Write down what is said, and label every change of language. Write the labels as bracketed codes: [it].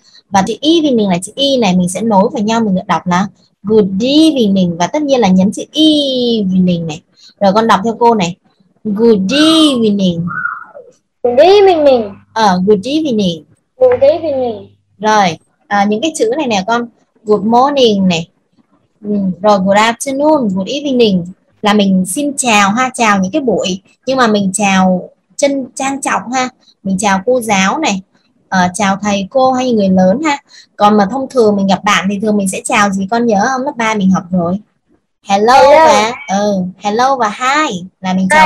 [vi] Và chữ evening là chữ y này, mình sẽ nối vào nhau, mình đọc là [en] good evening. [vi] Và tất nhiên là nhấn chữ evening này. Rồi con đọc theo cô này. [en] Good evening. Good evening. Good evening. Good evening. [vi] Rồi, những cái chữ này nè con. [en] Good morning này. Rồi good afternoon, good evening. [vi] Là mình xin chào ha, chào những cái buổi. Nhưng mà mình chào chân trang trọng ha. Mình chào cô giáo này. Chào thầy cô hay người lớn ha. Còn mà thông thường mình gặp bạn thì thường mình sẽ chào gì con nhớ không? Lớp 3 mình học rồi. Hello, [en] hello. [vi] Và hello và hi là mình chào